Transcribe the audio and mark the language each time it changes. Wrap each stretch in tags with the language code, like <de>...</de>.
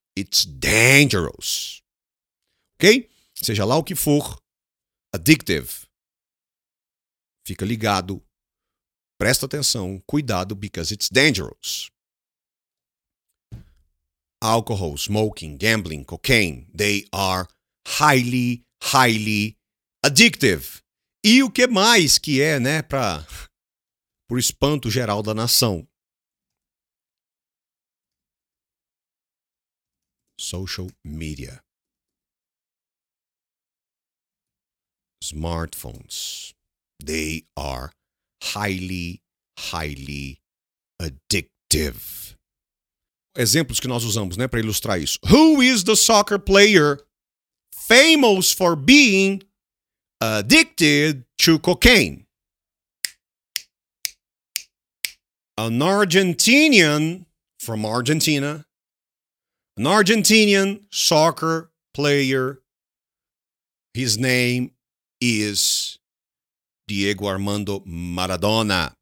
<en>It's dangerous. Okay?</en> <pt>Seja lá o que for, addictive. Fica ligado, presta atenção, cuidado,</pt> <en>because it's dangerous. Alcohol, smoking, gambling, cocaine, they are highly, highly addictive.</en> <pt>E o que mais que é, né, para o espanto geral da nação?</pt> <en>Social media. Smartphones, they are highly, highly addictive.</en> <pt>Exemplos que nós usamos, né, para ilustrar isso.</pt> <en>Who is the soccer player famous for being addicted to cocaine? An Argentinian from Argentina. An Argentinian soccer player. His name is Diego Armando Maradona.</en>